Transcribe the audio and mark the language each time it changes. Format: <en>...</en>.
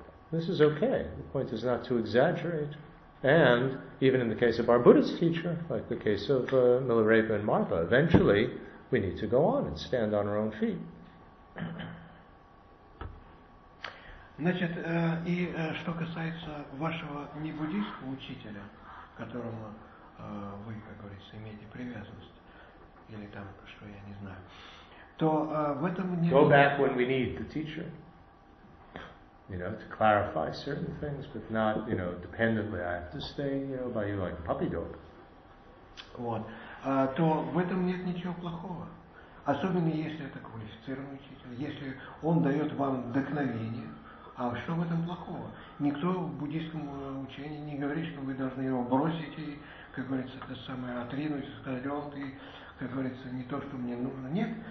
<en>This is okay. The point is not to exaggerate. And even in the case of our Buddhist teacher, like the case of Milarepa and Marpa, eventually we need to go on and stand on our own feet.</en> <ru>Значит, и что касается вашего небуддийского учителя, которому вы, как говорится, имеете привязанность, или там, что я не знаю, то в этом</ru> <en>не... Go back when we need the teacher. You know, to clarify certain things, but not, you know, dependently, I have to stay, you know, by you like a puppy dog.</en> <ru>Вот. То в этом нет ничего плохого. Особенно если это квалифицированный учитель, если он дает вам вдохновение. А что в этом плохого? Никто в буддийском учении не говорит, что вы должны его бросить и, как говорится, это самое, отринуть, сказать, он ты, как говорится, не то, что мне нужно. Нет.</ru>